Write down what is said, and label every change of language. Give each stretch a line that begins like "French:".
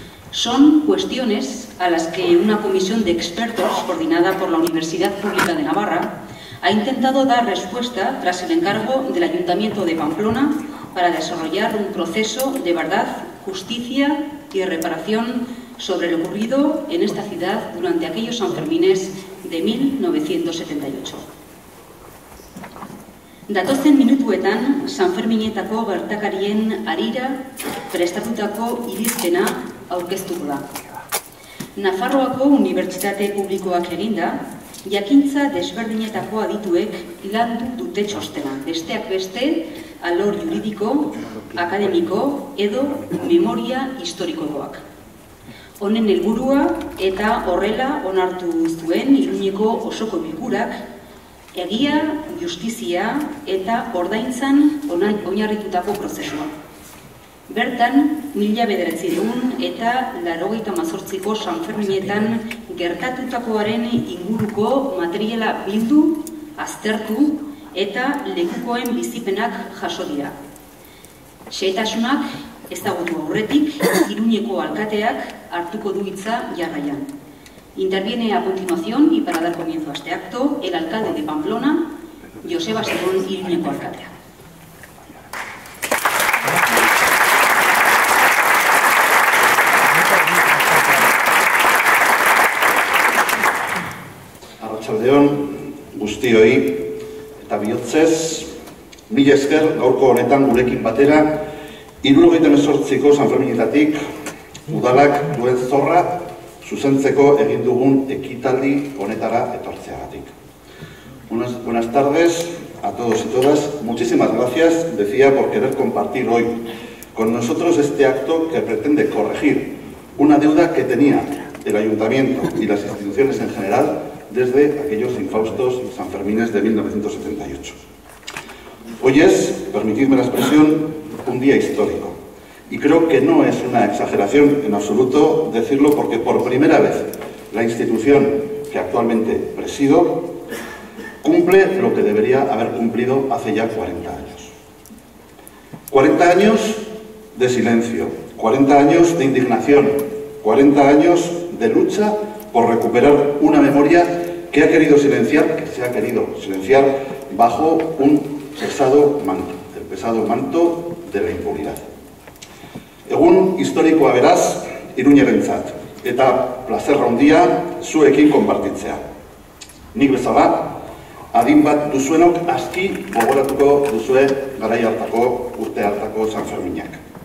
Spanish: Son cuestiones a las que una comisión de expertos coordinada por la Universidad Pública de Navarra ha intentado dar respuesta tras el encargo del Ayuntamiento de Pamplona para desarrollar un proceso de verdad, justicia y reparación sobre lo ocurrido en esta ciudad durante aquellos Sanfermines de 1978.
Basque: Datozen minutuetan, Sanferminetako gertakarien harira prestatutako irizpena aurkeztuko da. Nafarroako Unibertsitate Publikoak eginda, jakintza desberdinetako adituek landu dute txostena, besteak beste, alor juridiko, akademiko edo memoria historikoak. Honen helburua eta horrela onartu zuen Iruñeko osoko bilkurak, egia, justizia eta ordaintzan oinarritutako prozesua. Bertan, 1988ko Sanferminetan gertatutakoaren inguruko materiala bildu, aztertu eta lekukoen bizipenak jaso dira. Xehetasunak ezagutu aurretik, Iruñeko alkateak hartuko du hitza jarraian.
Spanish: Interviene a continuación y para dar comienzo a este acto el alcalde de Pamplona, Joseba Segón Iruñeko alcatea.
Basque: Arratsaldeon guztioi eta bihotzez, mila esker gaurko honetan gurekin batera 1978ko Sanferminetatik udalak duen zorra zuzentzeko egin dugun ekitaldi honetara etortzeagatik.
Spanish: Buenas tardes a todos y todas. Muchísimas gracias, decía, por querer compartir hoy con nosotros este acto que pretende corregir una deuda que tenía el Ayuntamiento y las instituciones en general desde aquellos infaustos y Sanfermines de 1978. Hoy es, permitidme la expresión, un día histórico. Y creo que no es una exageración en absoluto decirlo, porque por primera vez la institución que actualmente presido cumple lo que debería haber cumplido hace ya 40 años. 40 años de silencio, 40 años de indignación, 40 años de lucha por recuperar una memoria que ha querido silenciar, que se ha querido silenciar bajo un pesado manto, el pesado manto de la impunidad.
Basque: Egun historikoa beraz, Iruñerentzat, eta plazerra handia zuekin konpartitzea. Nik bezala, adin bat duzuenok aski gogoratuko duzue garai hartako, urte hartako Sanferminak.